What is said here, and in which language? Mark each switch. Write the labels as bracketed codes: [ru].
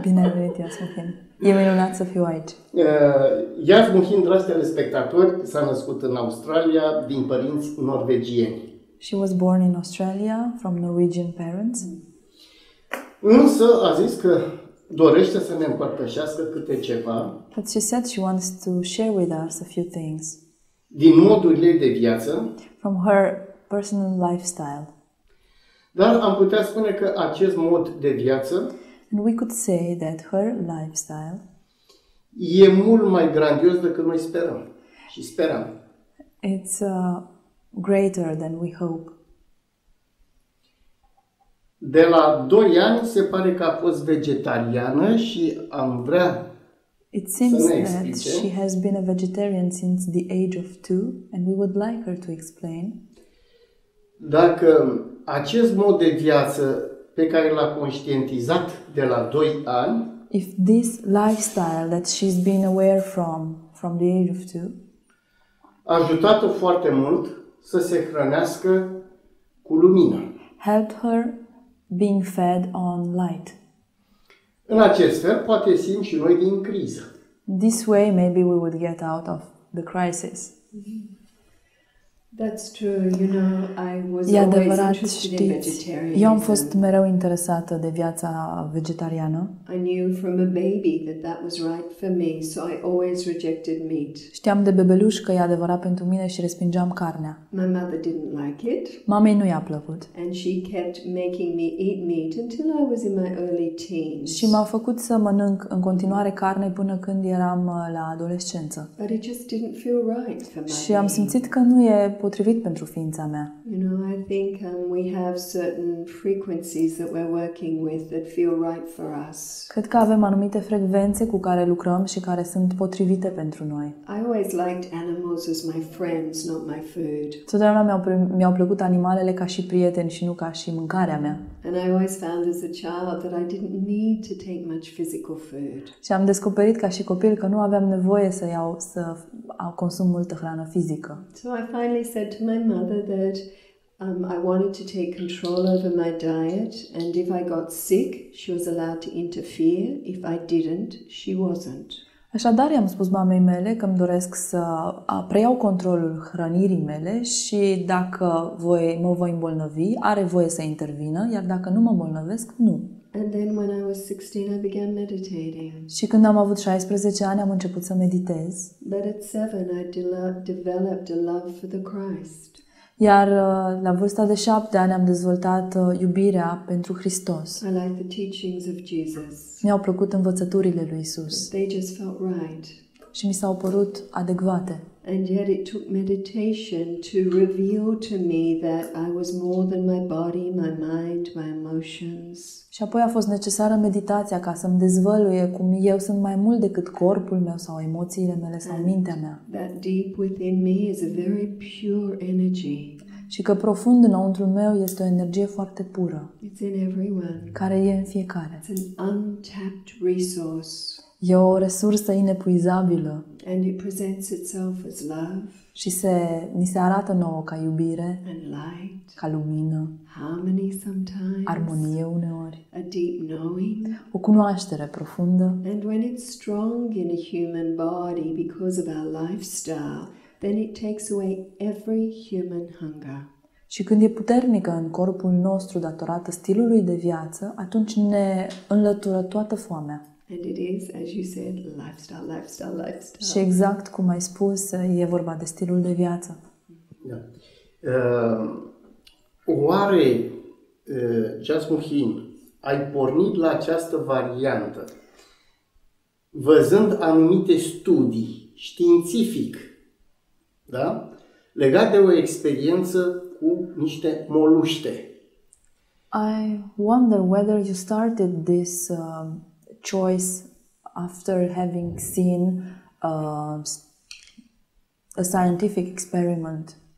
[ro] Bine ai venit, Just Muhin! E minunat să fiu aici! Just Muhin, dragi telespectatori, s-a născut în Australia din părinți norvegieni. [en] She was born in Australia from Norwegian parents. [ro] Însă a zis că dorește să ne împărtășească câte ceva. [en] But she said she wants to share with us a few things. [ro] Din modul ei de viață. [en] From her personal lifestyle. [ro] Dar am putea spune că acest mod de viață. [en] And we could say that her lifestyle. [ro] E mult mai grandios decât noi sperăm. Și sperăm. [en] It's greater than we hope. [ro] De la 2 ani se pare că a fost vegetariană și am vrea să ne explice. [en] It seems that she has been a vegetarian since the age of 2 and we would like her to explain. [ro] Dacă acest mod de viață pe care l-a conștientizat de la 2 ani, [en] if this lifestyle that she's been aware from the age of 2 [ro] a ajutat-o foarte mult să se hrănească cu lumină. [en] Helped her being fed on light. [ro] În acest fel, poate simt și noi din criză. [en] This way, maybe we would get out of the crisis. That's true. You know, I was always interested in vegetarianism. [ro] Eu am fost mereu interesată de viața vegetariană. [en] I knew from a baby that was right for me, so I always rejected meat. [ro] Știam de bebeluș că e adevărat pentru mine și respingeam carnea. [en] My mother didn't like it. [ro] Mamei nu i-a plăcut. [en] And she kept making me eat meat until I was in my early teens. [ro] Și m-a făcut să mănânc în continuare carne până când eram la adolescență. [en] But it just didn't feel right for my. [ro] Și am simțit că nu e potrivit pentru ființa mea. [en] You know, I think we have certain frequencies that we're working with that feel right for us. [ro] Cred că avem anumite frecvențe cu care lucrăm și care sunt potrivite pentru noi. [en] I always liked animals as my friends, not my food. [ro] Totdeauna mi-au plăcut animalele ca și prieteni și nu ca și mâncarea mea. [en] And I always found as a child that I didn't need to take much physical food. [ro] Și am descoperit ca și copil că nu aveam nevoie să consum multă hrană fizică. [en] So I finally said to my mother that I wanted to take control over my diet and if I got sick, she was allowed to interfere. If I didn't, she wasn't. [ro] Așadar, i-am spus mamei mele că îmi doresc să preiau controlul hrănirii mele și dacă mă voi îmbolnăvi, are voie să intervină, iar dacă nu mă îmbolnăvesc, nu. [en] And then when I was 16, I began meditating. [ro] Și când am avut 16 ani, am început să meditez. [en] But at 7, I developed a love for the Christ. [ro] Iar la vârsta de 7 ani am dezvoltat iubirea pentru Hristos. [en] I like the teachings of Jesus. [ro] Mi-au plăcut învățăturile lui Isus. [en] They just felt right. [ro] Și mi s-au părut adecvate. [en] And yet it took meditation to reveal to me that I was more than my body, my mind, my emotions. [ro] Și apoi a fost necesară meditația ca să-mi dezvăluie cum eu sunt mai mult decât corpul meu sau emoțiile mele sau mintea mea. [en] That deep within me is a very pure energy. [ro] Și că profund înăuntru meu este o energie foarte pură. [en] It's in everyone. [ro] Care e în fiecare. [en] It's an untapped resource. [ro] E o resursă inepuizabilă. [en] And it presents itself as love. [ro] Și ni se arată nouă ca iubire, [en] and light, [ro] ca lumină, [en] harmony sometimes, [ro] armonie uneori, [en] a deep knowing, [ro] o cunoaștere profundă. [en] And when it's strong in a human body because of our lifestyle, then it takes away every human hunger. [ro] Și când e puternică în corpul nostru datorată stilului de viață, atunci ne înlătură toată foamea. [en] And it is, as you said, lifestyle, lifestyle, lifestyle. [ro] Și exact cum ai spus, e vorba de stilul de viață. Da. Oare, Jasmuhin, ai pornit la această variantă văzând anumite studii științific, da, legate de o experiență cu niște moluște? [en] I wonder whether you started this choice after having seen a scientific experiment.